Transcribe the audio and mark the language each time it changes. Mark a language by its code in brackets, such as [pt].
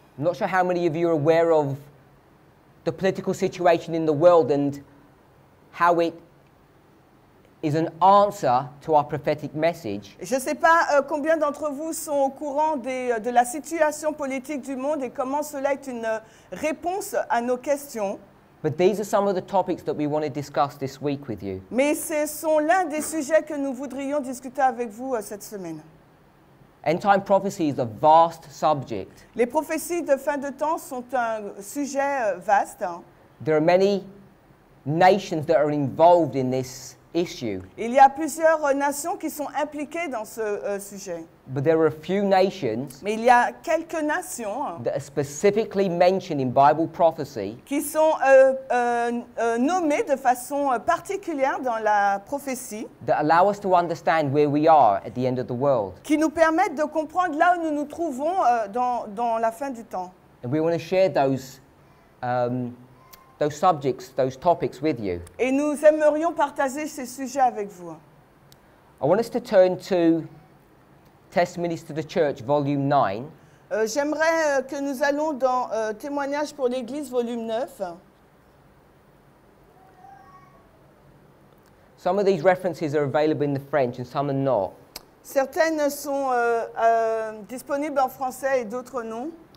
[en] I'm not sure how many of you are aware of the political situation in the world and how it is an answer to our prophetic message. [fr] Je ne sais pas combien d'entre vous sont au courant de la situation politique du monde et comment cela est une réponse à nos questions. [en] But these are some of the topics that we want to discuss this week with you. [fr] Mais ce sont l'un des sujets que nous voudrions discuter avec vous cette semaine. [en] End time prophecy is a vast subject. [fr] Les prophéties de fin de temps sont un sujet vaste. [en] There are many nations that are involved in this issue. [fr] Il y a plusieurs nations qui sont impliquées dans ce sujet. [en] But there are a few nations. [fr] Mais il y a quelques nations [en] that are specifically mentioned in Bible prophecy. [fr] Qui sont nommées de façon particulière dans la prophétie. [en] That allow us to understand where we are at the end of the world. [fr] Qui nous permettent de comprendre là où nous nous trouvons dans la fin du temps. [en] And we want to share those subjects, those topics with you. [fr] Et nous aimerions partager ces sujets avec vous. [en] I want us to turn to Testimonies to the Church, volume 9. [fr] J'aimerais que nous allons dans Témoignages pour l'Église, volume 9. [en] Some of these references are available in the French and some are not. [fr] Certaines sont disponibles en français et d'autres non.